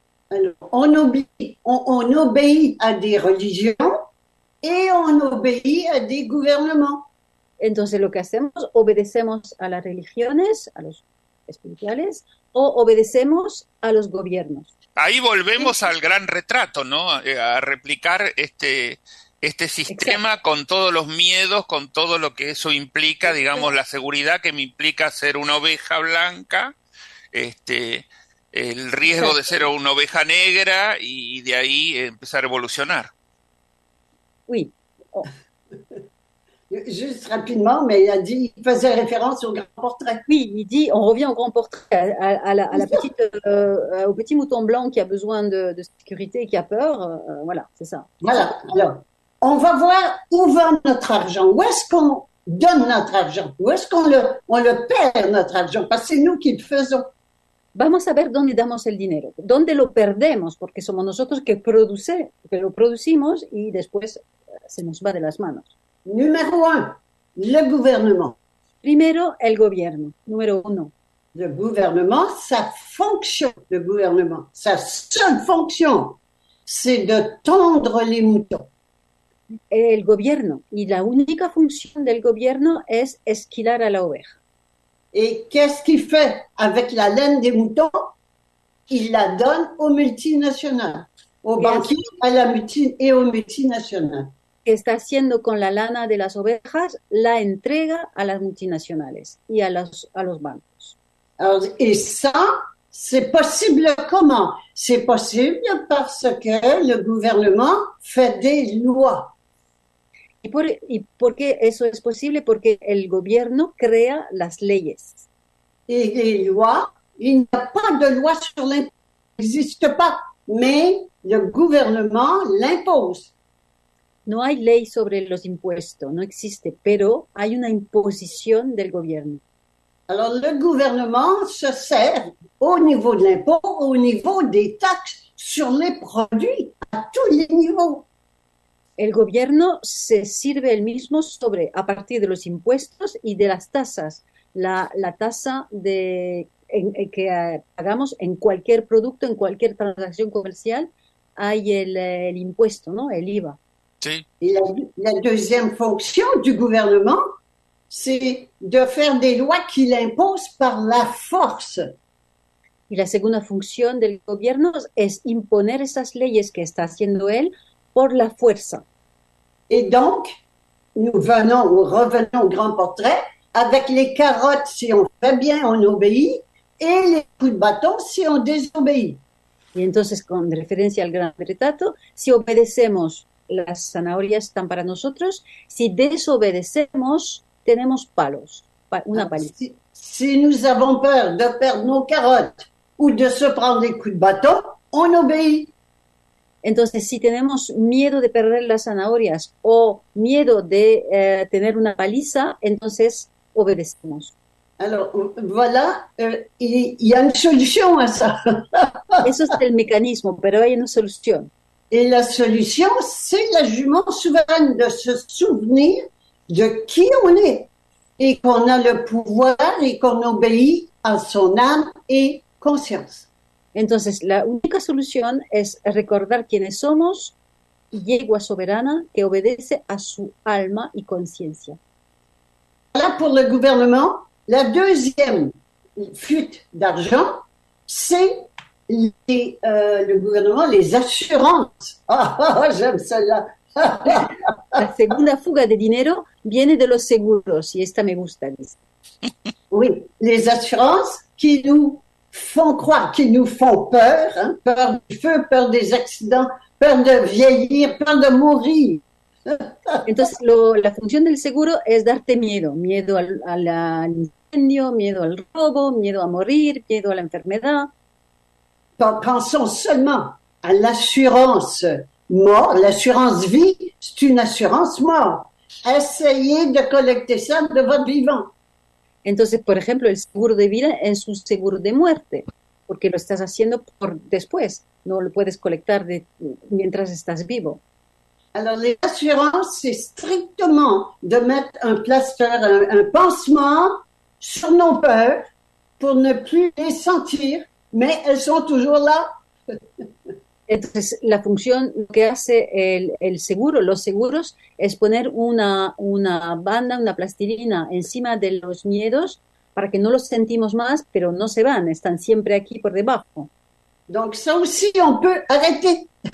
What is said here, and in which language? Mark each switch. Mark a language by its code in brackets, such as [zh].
[fr] Alors, on obéit à des religions et on obéit à des gouvernements. [es] Entonces, lo que hacemos, obedecemos a las religiones, a los espirituales, o obedecemos a los gobiernos. Ahí volvemos al gran retrato, ¿no? A replicar este Exacto. sistema con todos los miedos, con todo lo que eso implica, digamos, la seguridad que me implica ser una oveja blanca, el riesgo de ser Exacto. una oveja negra y de ahí empezar a evolucionar. [fr] Oui. Oh. Juste rapidement, mais il a dit, il faisait référence au grand portrait. Oui, il dit, on revient au grand portrait, à la petite, au petit mouton blanc qui a besoin de sécurité et qui a peur. Voilà, c'est ça. Voilà. Alors, on va voir où va notre argent. Où est-ce qu'on donne notre argent? Où est-ce qu'on le perd notre argent? Parce que c'est nous qui le faisons. [es] Vamos a ver dónde damos el dinero, dónde lo perdemos, porque somos nosotros que lo producimos y después se nos va de las manos. [fr] Numéro un, le gouvernement. [es] Primero, el gobierno. Número uno. [fr] Le gouvernement, sa fonction, le gouvernement, sa seule fonction, c'est de tondre les moutons. [es] El gobierno. Y la única función del gobierno es esquilar a la oveja. [fr] Et qu'est-ce qu'il fait avec la laine des moutons? Il la donne aux multinationales, aux [es] ¿Qué hace? [fr] banquiers, à la multi et aux multinationales. [es] Que está haciendo con la lana de las ovejas, la entrega a las multinacionales y a los bancos. [fr] Alors, et ça, c'est possible comment? C'est possible parce que le gouvernement fait des lois. [es] ¿Y por qué eso es posible? Porque el gobierno crea las leyes. [fr] Et les lois, il n'y a pas de loi sur l'impôt, il n'existe pas, mais le gouvernement l'impose. [es] No hay ley sobre los impuestos, no existe, pero hay una imposición del gobierno. [fr] Alors, le gouvernement se sert au niveau de l'impôt, au niveau des taxes sur les produits, à tous les niveaux. [es] El gobierno se sirve el mismo sobre a partir de los impuestos y de las tasas, la tasa que pagamos en cualquier producto, en cualquier transacción comercial, hay el impuesto, ¿no? El IVA. Sí. [fr] Et la deuxième fonction du gouvernement, c'est de faire des lois qui l'imposent par la force. [es] Y la segunda función del gobierno es imponer esas leyes que está haciendo él por la fuerza. [fr] Et donc, nous venons ou revenons au grand portrait avec les carottes si on fait bien, on obéit, et les coups de bâton si on désobéit. [es] Y entonces, con referencia al gran retrato, si obedecemos, las zanahorias están para nosotros. Si desobedecemos, tenemos palos, una paliza. [fr] Si nous avons peur de perdre nos carottes ou de se prendre des coups de bâton, on obéit. [es] Entonces, si tenemos miedo de perder las zanahorias o miedo de tener una paliza, entonces obedecemos. [fr] Alors, voilà, y a une solution à ça. [es] Eso es el mecanismo, pero hay una solución. [fr] Et la solution, c'est la jument souveraine, de se souvenir de qui on est. Et qu'on a le pouvoir et qu'on obéit à son âme et conscience. [es] Entonces, la única solución es recordar quiénes somos, yegua soberana que obedece a su alma y conciencia. [fr] Voilà pour le gouvernement. La deuxième fuite d'argent, c'est le gouvernement, les assurances. Ah, oh, j'aime celle-là. [es] La segunda fuga de dinero viene de los seguros, y esta me gusta, dice. [fr] Oui, les assurances qui nous font croire qu'ils nous font peur, hein, peur du feu, peur des accidents, peur de vieillir, peur de mourir. [es] Entonces, la función del seguro es darte miedo, miedo al incendio, miedo al robo, miedo a morir, miedo a la enfermedad. [fr] Pensons seulement à l'assurance mort, l'assurance vie, c'est une assurance mort. Essayez de collecter ça de votre vivant. [es] Entonces, por ejemplo, el seguro de vida es un seguro de muerte, porque lo estás haciendo por después, no lo puedes colectar de, mientras estás vivo. [fr] Alors, l'assurance, c'est strictement de mettre un plaster, un pansement sur nos peurs pour ne plus les sentir, mais elles sont toujours là. [es] Entonces, la función que hace el seguro, los seguros, es poner una banda, una plastilina encima de los miedos para que no los sentimos más, pero no se van, están siempre aquí por debajo. [fr] Donc, ça aussi, on peut arrêter.